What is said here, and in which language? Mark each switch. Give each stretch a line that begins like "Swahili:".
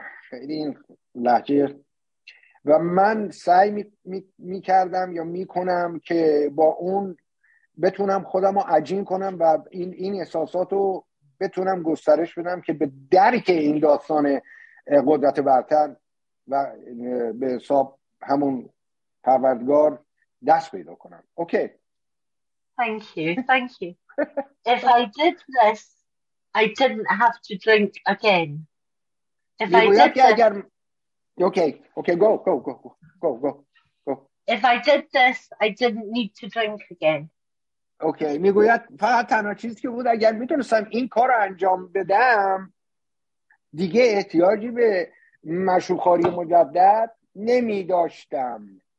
Persian: خیلی لحجه و من سعی میکردم یا میکنم که با اون بتونم خودم رو عجین کنم و این احساسات رو بتونم گسترش بدم که به درک این داستان قدرت برتر و به حساب همون پروردگار دست پیدا کنم.
English: Okay Thank you. If I did this, I didn't have to drink again. If I did this, Okay, go. If I did this, I didn't need to drink again.
Persian: Okay, میگوید فقط تنها چیزی که بود اگر میتونستم این کار رو انجام بدم دیگه احتیاجی به مشروب‌خوری مجدد نمی‌داشتم.